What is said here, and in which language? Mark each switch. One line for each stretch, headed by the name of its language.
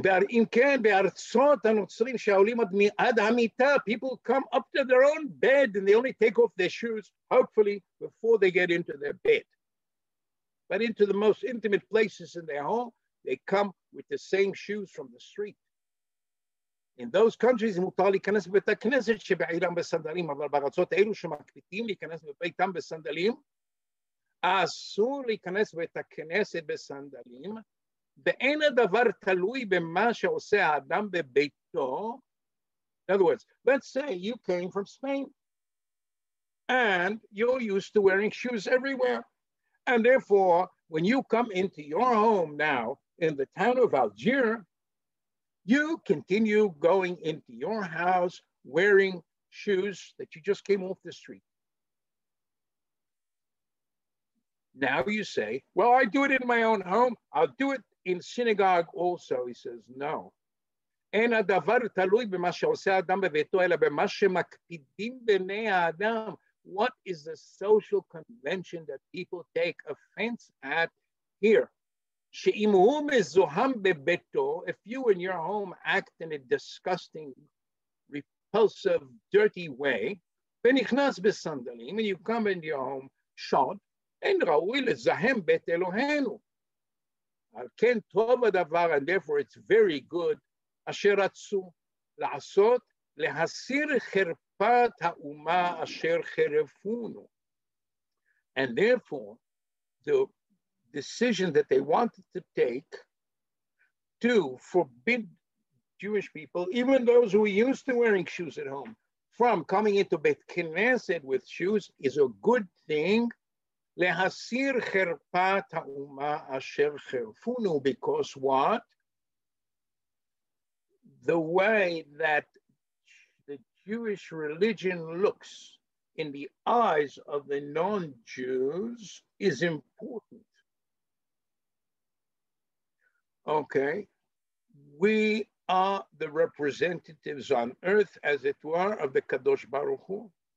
Hebrew: אם כן, בארצות הנוצרים שהעולים עד המיטה,
English: people come up to their own bed and they only take off their shoes, hopefully, before they get into their bed. But into the most intimate places in their home, they come with the same shoes from the street. In those countries,
Hebrew: מותר להיכנס בבית הכנסת שבעירם בסנדלים, אבל בארצות אלו שמקפיטים להיכנס בביתם בסנדלים, אסור להיכנס בבית הכנסת בסנדלים, ואין הדבר תלוי במה שעושה האדם בביתו.
English: In other words, let's say you came from Spain and you're used to wearing shoes everywhere. And therefore, when you come into your home now in the town of Algiers, you continue going into your house wearing shoes that you just came off the street. Now you say, well, I do it in my own home. I'll do it in synagogue also, he says, no.
Hebrew: אין הדבר תלוי במה שעושה האדם בביתו, אלא במה שמקפידים בני האדם.
English: What is the social convention that people take offense at here?
Hebrew: שאם הוא מזוהם בביתו,
English: if you in your home act in a disgusting, repulsive, dirty way,
Hebrew: ונכנס בסנדלים,
English: and you come into your home shod,
Hebrew: אין ראוי לזהם בית אלוהינו.
English: And therefore it's very good
Hebrew: asher ratzu la'asot lehasir cherpat ha'uma asher cherefunu.
English: And therefore, the decision that they wanted to take to forbid Jewish people, even those who are used to wearing shoes at home, from coming into Beit Knesset with shoes is a good thing.
Hebrew: להסיר חרפת האומה אשר חרפונו,
English: because what? the way that the Jewish religion looks in the eyes of the non-Jews is important. Okay, we are the representatives on earth, as it were, of the Kadosh Baruch Hu.